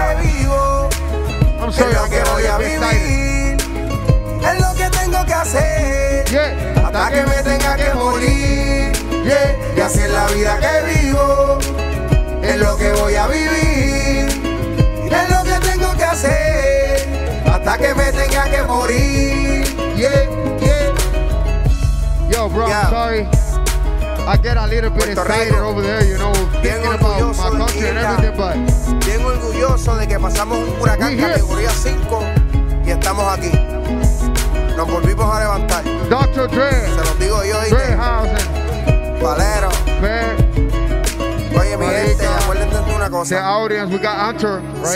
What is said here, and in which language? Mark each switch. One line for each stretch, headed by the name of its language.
Spanish: Es lo que vivo, es lo que voy a vivir, es lo que tengo que hacer, hasta que me tenga que morir. Y así es la vida que vivo, es lo que voy a vivir, es lo que tengo que hacer, hasta que me tenga que morir.
English: Yo, bro, I'm sorry. I get a little bit excited over there, you know, thinking about my country and everything, but
Spanish: bien orgulloso de que pasamos un huracán categoría 5 y estamos aquí. Nos volvimos a levantar.
English: Dr. Dre.
Spanish: Se los digo yo,
English: Dre Housen. Valero. Man.
Spanish: Oye, mi gente, acuérdense de una cosa.
English: The audience, we got Hunter, right?